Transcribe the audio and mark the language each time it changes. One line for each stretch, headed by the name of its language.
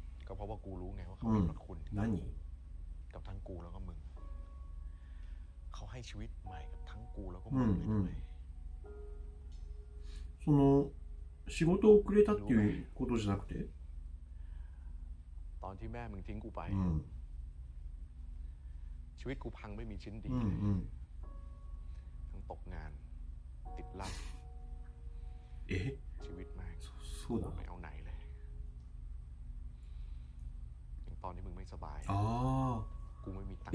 Thai: ก็เพราะว่ากูรู้ไงว่าเขาเป็นคุณ นั่นนี่กับทั้งกูแล้วก็มึงเขาให้ชีวิตใหม่กับทั้งกูแล้วก็มึงเลยด้วย
Japanese: その仕事をくれたっていうことじゃなくて
Thai: ตอนที่แม่มึงทิ้งกูไปชีวิตกูพังไม่มีชิ้นดีเลยทั้งตกงานติดลักชีวิตแม่ง สู้ด ไม่เอาไหนเลยตอนนี้มึงไม่สบายกูไม่มีตังค์